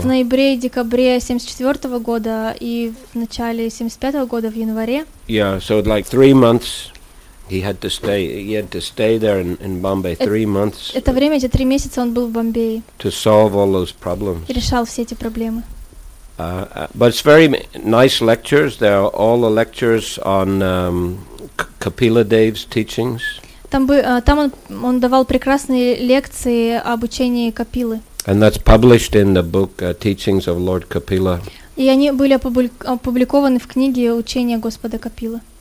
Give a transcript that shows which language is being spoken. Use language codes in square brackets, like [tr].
[ru] В ноябре и декабре 74 года и в начале 75 года в январе. [en] Yeah, so like 3 months. He had to stay there in Bombay 3 months. [ru] Это время, где 3 месяца он был в Бомбее. [en] To solve all those problems. [ru] И решал все эти проблемы. [en] But it's very nice lectures. There are all the lectures on Kapila Dev's teachings. [ru] Там он давал прекрасные лекции об учении Капилы. [en] And that's published in the book Teachings of Lord Kapila. [ru] И они были опубликованы в книге Учения Господа Капилы.